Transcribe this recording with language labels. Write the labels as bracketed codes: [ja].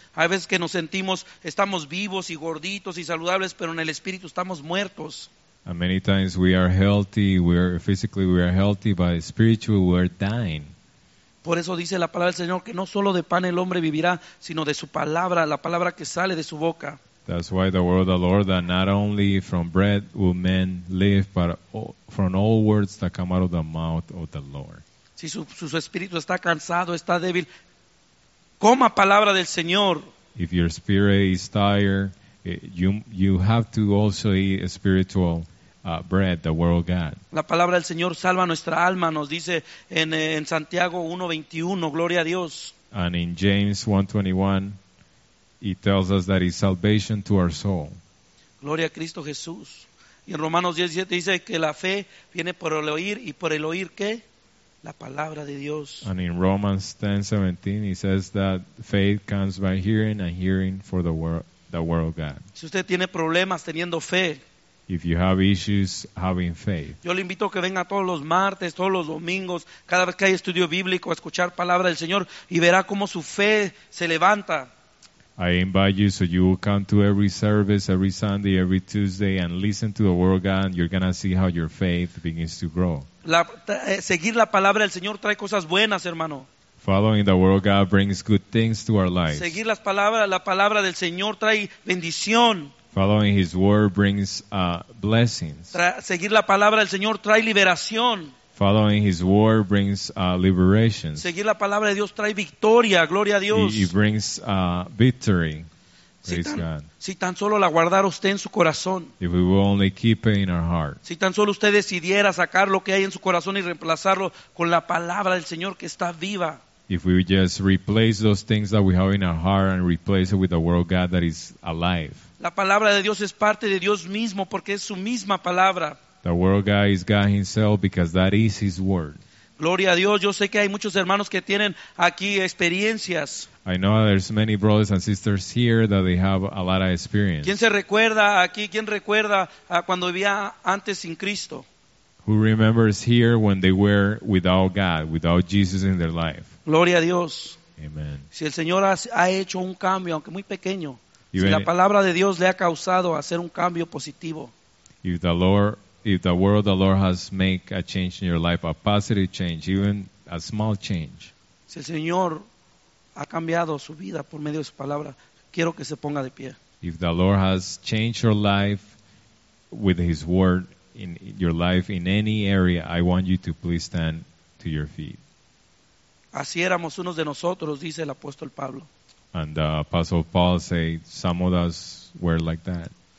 [es] Hay veces que nos sentimos, estamos vivos y gorditos y saludables, pero en el espíritu estamos muertos. [en] And many times we are healthy, we are physically healthy, but spiritually we are dying. [es] Por eso dice la palabra del Señor que no solo de pan el hombre vivirá, sino de su palabra, la palabra que sale de su boca. [en] That's why the word of the Lord, that not only from bread will men live, but from all words that come out of the mouth of the Lord. [es] Si su espíritu está cansado, está débil, coma palabra del Señor. [en] If your spirit is tired, you have to also eat a spiritual bread, the word of God. [es] La palabra del Señor salva nuestra alma, nos dice en Santiago 1:21, gloria a Dios. [en] And in James 1:21, he tells us that it's salvation to our soul. [es] Gloria a Cristo Jesús. Y en Romanos 10:17 dice que la fe viene por el oír, y por el oír ¿qué? La palabra de Dios. [en] And in Romans 10:17, he says that faith comes by hearing, and hearing for the word of God. [es] Si usted tiene problemas teniendo fe, [en] if you have issues having faith, [es] yo le invito a que venga todos los martes, todos los domingos, cada vez que hay estudio bíblico, a escuchar palabra del Señor, y verá cómo su fe se levanta. [en] I invite you so you will come to every service, every Sunday, every Tuesday, and listen to the word of God, and you're going to see how your faith begins to grow. [es] Seguir la palabra del Señor trae cosas buenas, hermano. [en] Following the word of God brings good things to our lives. [es] Seguir la palabra del Señor trae bendición. [en] Following His word brings blessings. [es] Seguir la palabra del Señor trae liberación. [en] Following His word brings liberation. [es] Seguir la palabra de Dios trae victoria. Gloria a Dios. [en] He brings victory. Praise God. [es] Si tan solo la guardara usted en su corazón. [en] If we will only keep it in our heart. [es] Si tan solo usted decidiera sacar lo que hay en su corazón y reemplazarlo con la palabra del Señor que está viva. [en] If we would just replace those things that we have in our heart and replace it with the word of God that is alive. [es] La palabra de Dios es parte de Dios mismo porque es su misma palabra. [en] The word of God is God Himself because that is His word. [es] Gloria a Dios. Yo sé que hay muchos hermanos que tienen aquí experiencias. [en] I know there's many brothers and sisters here that they have a lot of experience. [es] ¿Quién se recuerda aquí? ¿Quién recuerda cuando vivía antes sin Cristo? [en] Who remembers here when they were without God, without Jesus in their life? [es] Gloria a Dios. [en] Amen. [es] Si el Señor ha hecho un cambio, aunque muy pequeño, si la palabra de Dios le ha causado hacer un cambio positivo. [en] If the word of the Lord has made a change in your life, a positive change, even a small change. [es] Si el Señor ha cambiado su vida por medio de su palabra, quiero que se ponga de pie. [en] If the Lord has changed your life with His word in your life in any area, I want you to please stand to your feet. [es] Así éramos unos de nosotros, dice el apóstol Pablo. [en] And the apostle Paul said some of us were like that.